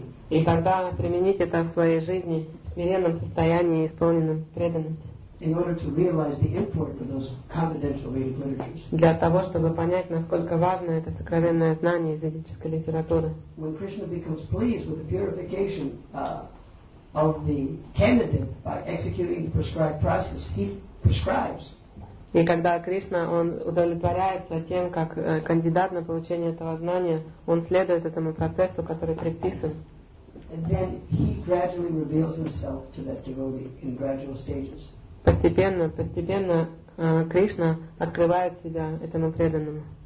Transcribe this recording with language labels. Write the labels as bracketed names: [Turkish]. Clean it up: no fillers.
[Russian] И тогда применить это в своей жизни в смиренном состоянии, исполненном преданности. [English] In order to realize the import of those confidential Vedic literatures. [Russian] Для того, чтобы понять, насколько важно это сокровенное знание из ведической литературы. [English] When Krishna becomes pleased with the purification of the candidate by executing the prescribed process, he prescribes. [Russian] И когда Кришна он удовлетворяется тем, как кандидат на получение этого знания, он следует этому процессу, который предписан. [English] And then he gradually reveals himself to that devotee in gradual stages. [Russian] Постепенно Кришна открывает себя этому преданному.